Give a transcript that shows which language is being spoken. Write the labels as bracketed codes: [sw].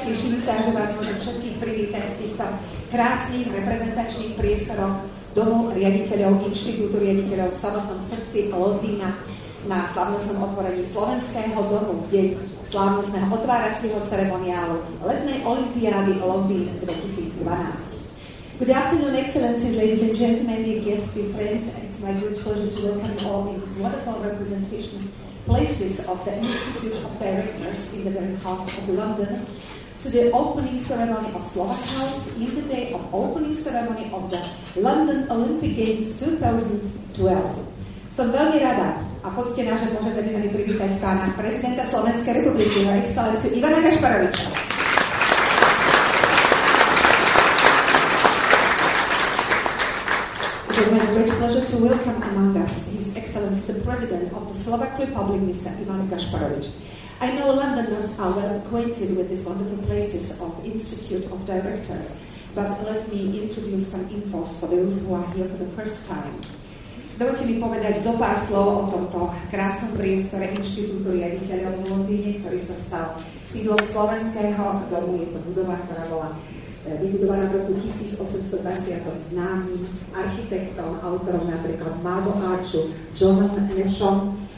[sk] Teším sa, že vás môžem všetkých privítať v týchto krásnych reprezentačných priestoroch domu riaditeľov inštitútu riaditeľov v samotnom srdci Londýna na slavnostnom otvorení slovenského domu v deň slavnostného otváracieho ceremoniálu letnej olympiády Londýn 2012. [en] Good afternoon, excellencies, ladies and gentlemen, dear guests, dear friends. It's my great pleasure to welcome you all in this wonderful representation places of the Institute of Directors in the very heart of London to the opening ceremony of Slovak House in the day of opening ceremony of the London Olympic Games 2012. [sk] Som veľmi rada a poctená, že môžem medzi nami privítať pána prezidenta Slovenskej republiky, jeho excelenciu Ivana Gašparoviča. [en] It is my great pleasure to welcome among us His Excellency the President of the Slovak Republic, Mr. Ivan Gašparovič. I know Londoners are well acquainted with these wonderful places of Institute of Directors, but let me introduce some infos for those who are here for the first time. [sk] Dovolte mi povedať zo pár slov o tomto krásnom priestore Inštitútu riaditeľov v Londýne, ktorý sa stal sídlom slovenského domu. Je to budova, ktorá bola vybudovaná v roku 1820 známym architektom, autorom napríklad Mago Archu, Johnom Nashom.